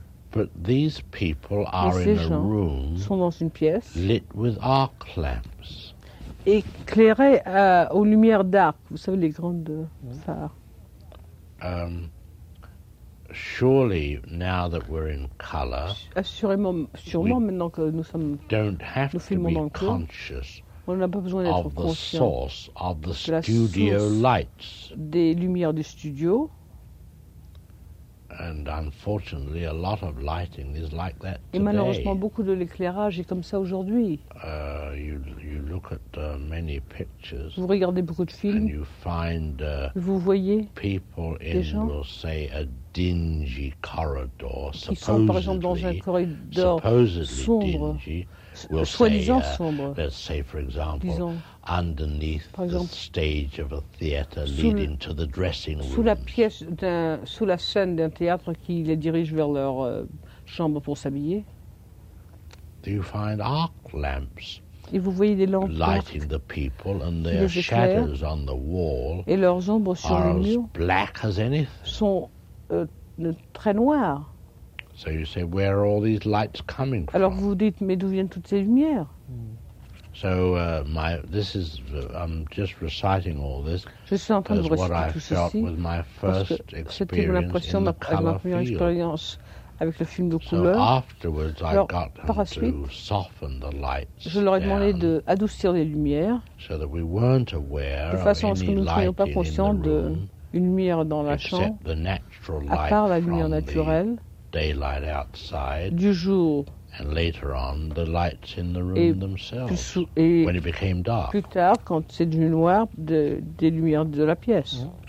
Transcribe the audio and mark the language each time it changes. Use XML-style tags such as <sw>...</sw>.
<en>but these people are in a room</en> <fr>sont dans une pièce</fr> <en>lit with arc lamps,</en> <fr>éclairés aux lumières d'arc, vous savez les grandes phares.</fr> <en>Surely, now that we're in color,</en> <fr>sûrement maintenant que nous sommes,</fr> <en>don't have</en> <fr>nous filmons</fr> <en>to be</en> <fr>dans le</fr> <en>conscious.</en> <fr>On n'a pas besoin d'être</fr> <en>of the source of the studio lights.</en> <fr>Des lumières du studio.</fr> <en>And unfortunately, a lot of lighting is like that today.</en> <fr>Et malheureusement, beaucoup de l'éclairage est comme ça aujourd'hui.</fr> <en>You look at many pictures.</en> <fr>Vous regardez beaucoup de films.</fr> <en>And you find</en> <fr>vous voyez</fr> <en>people in, we'll say, a dingy corridor.</en> <fr>Qui sont par exemple dans un corridor sombre.</fr> <en>Dingy, we'll</en> <fr>soi-disant</fr> <en>say,</en> <fr>sombre.</fr> <en>Let's say, for example,</en> <fr>disons,</fr> <en>underneath</en> <fr>par exemple,</fr> <en>the stage of a theater leading to the dressing room.</en> <fr>Sous la pièce d'un, sous la scène d'un théâtre qui les dirige vers leur chambre pour s'habiller.</fr> <en>Do you find arc lamps?</en> <fr>Et vous voyez des lampes</fr> <en>lighting the people and their shadows on the wall.</en> <fr>Et leurs ombres sur</fr> <en>are</en> <fr>le mur</fr> <en>as black as anything.</en> <fr>Sont très noires.</fr> <en>So you say, where are all these lights coming from?</en> <fr>Alors vous dites, mais d'où viennent toutes ces lumières?</fr> <en>So I'm just reciting all this.</en> <fr>Je suis en train de</fr> <en>what I</en> <fr>tout</fr> <en>felt</en> <fr>ceci</fr> <en>with my first experience in the color field.</en> <fr>Avec le film de</fr> <en>so</en> <fr>couleur.</fr> <en>Afterwards,</en> <fr>alors,</fr> <en>I got</en> <fr>par la suite,</fr> <en>to soften the lights.</en> <fr>Je leur ai demandé de adoucir les lumières.</fr> <en>So that we weren't aware</en> <fr>de façon à ce que nous ne soyons pas conscients d'une lumière dans la chambre.</fr> <en>The natural</en> <fr>à part la lumière naturelle.</fr> <en>Daylight outside,</en> <fr>du jour,</fr> <en>and later on the lights in the room themselves. When it became dark,</en> <fr>plus tard quand c'est devenu noir, des lumières de la pièce.</fr>